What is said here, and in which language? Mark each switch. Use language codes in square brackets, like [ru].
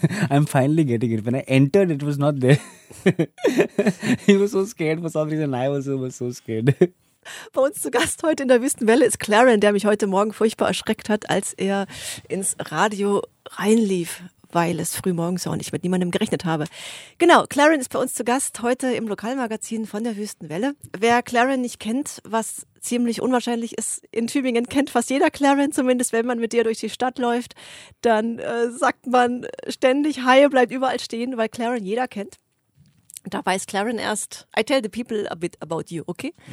[en] I'm finally getting it. When I entered, it was not there. He was so scared for some reason. I was so scared. [de] Bei uns zu Gast heute in der Wüstenwelle ist Claren, der mich heute Morgen furchtbar erschreckt hat, als er ins Radio reinlief, weil es früh morgens war und ich mit niemandem gerechnet habe. Genau, Claren ist bei uns zu Gast heute im Lokalmagazin von der Wüstenwelle. Wer Claren nicht kennt, was ziemlich unwahrscheinlich ist, in Tübingen kennt fast jeder Claren, zumindest wenn man mit dir durch die Stadt läuft, dann sagt man ständig, Hi, bleibt überall stehen, weil Claren jeder kennt. Da weiß Claren erst, [en] I tell the people a bit about you, okay?